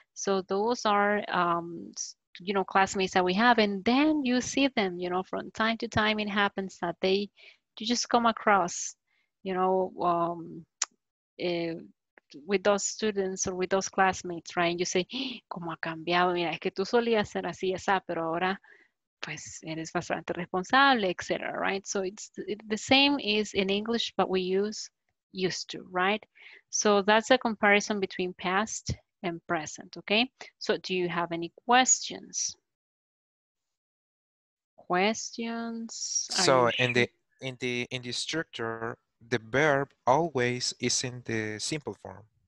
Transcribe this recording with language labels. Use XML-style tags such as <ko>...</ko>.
<en>So those are, you know, classmates that we have, and then you see them, you know, from time to time it happens that they, you just come across, you know, with those students or with those classmates, right? And you say,</en> <es>¿cómo ha cambiado? Mira, es que tú solías ser así, esa, pero ahora, pues, eres bastante responsable, etc.,</es> <en>right? So it's the same is in English, but we use used to, right? So that's a comparison between past and present, okay? So do you have any questions? Questions? So in the structure, the verb always is in the simple form.</en>